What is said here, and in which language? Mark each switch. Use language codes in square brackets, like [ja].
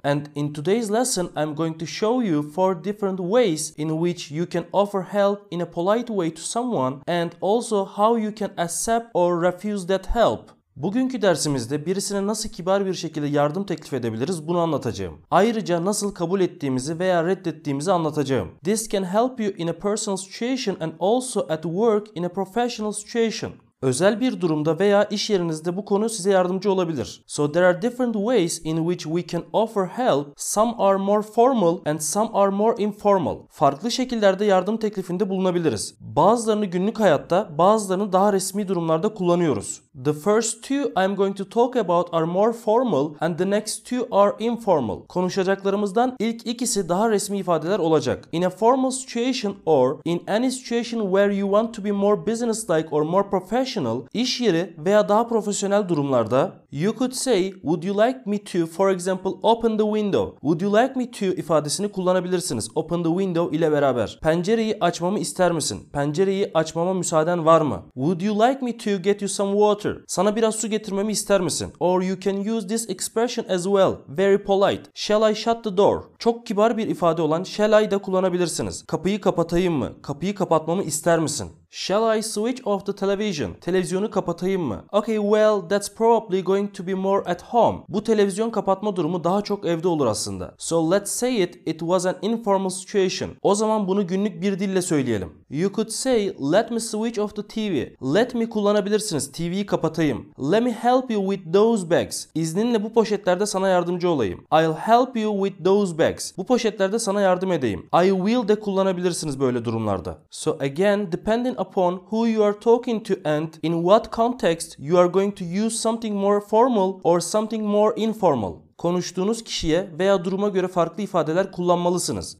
[en] And in today's lesson, I'm going to show you four different ways in which you can offer help in a polite way to someone and also how you can accept or refuse that help. [tr] Bugünkü dersimizde birisine nasıl kibar bir şekilde yardım teklif edebiliriz bunu anlatacağım. Ayrıca nasıl kabul ettiğimizi veya reddettiğimizi anlatacağım. [en] This can help you in a personal situation and also at work in a professional situation. [tr] Özel bir durumda veya iş yerinizde bu konu size yardımcı olabilir. [en] So there are different ways in which we can offer help. Some are more formal and some are more informal. [tr] Farklı şekillerde yardım teklifinde bulunabiliriz. Bazılarını günlük hayatta, bazılarını daha resmi durumlarda kullanıyoruz. [en] The first two I'm going to talk about are more formal and the next two are informal. [tr] Konuşacaklarımızdan ilk ikisi daha resmi ifadeler olacak. [en] In a formal situation or in any situation where you want to be more businesslike or more professional, [tr] iş yeri veya daha profesyonel durumlarda, [en] you could say, would you like me to, for example, open the window? Would you like me to [tr] ifadesini kullanabilirsiniz. [en] Open the window [tr] ile beraber. Pencereyi açmamı ister misin? Pencereyi açmama müsaaden var mı? [en] Would you like me to get you some water? [tr] Sana biraz su getirmemi ister misin? [en] Or you can use this expression as well. Very polite. Shall I shut the door? [tr] Çok kibar bir ifade olan shall I da kullanabilirsiniz. Kapıyı kapatayım mı? Kapıyı kapatmamı ister misin? [en] Shall I switch off the television? [tr] Televizyonu kapatayım mı? [en] Okay, well, that's probably going to be more at home. [tr] Bu televizyon kapatma durumu daha çok evde olur aslında. [en] So let's say it was an informal situation. [tr] O zaman bunu günlük bir dille söyleyelim. [en] You could say, let me switch off the TV. Let me [tr] kullanabilirsiniz, TV'yi kapatayım. [en] Let me help you with those bags. [tr] İzninle bu poşetlerde sana yardımcı olayım. [en] I'll help you with those bags. [tr] Bu poşetlerde sana yardım edeyim. I will de kullanabilirsiniz böyle durumlarda. [en] So again, depending upon who you are talking to and in what context you are going to use something more formal or something more informal. [tr] Konuştuğunuz kişiye veya duruma göre farklı ifadeler kullanmalısınız.